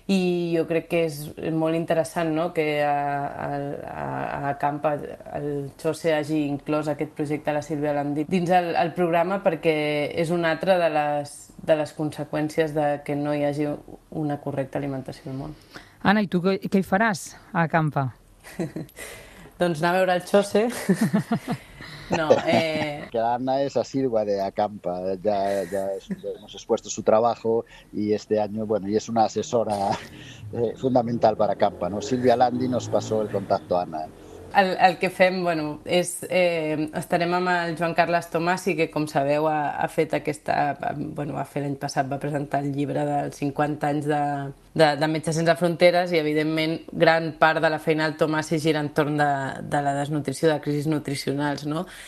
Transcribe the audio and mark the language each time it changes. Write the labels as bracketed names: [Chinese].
[Catalan] I jo crec que és molt interessant, no?, que a Campa el José hagi inclòs aquest projecte, la Silvia Landi, dins el programa, perquè és una altra de les conseqüències de que no hi hagi una correcta alimentació al món. Anna, i tu què hi faràs a Campa? Doncs anar a veure el Xose. [Spanish] No, que la Anna es asidua de Acampa, ya hemos expuesto su trabajo y este año, bueno, y es una asesora fundamental para Acampa, ¿no? Silvia Landi nos pasó el contacto a Anna. [Catalan] El que fem, bueno, és estarem amb el Joan Carles Tomasi, que com sabeu ha fet aquesta, bueno, va fer l'any passat, va presentar el llibre dels 50 anys de Metges Sense Fronteres, i evidentment gran part de la feina del Tomasi gira entorn de la desnutrició, de crisis nutricionals, no?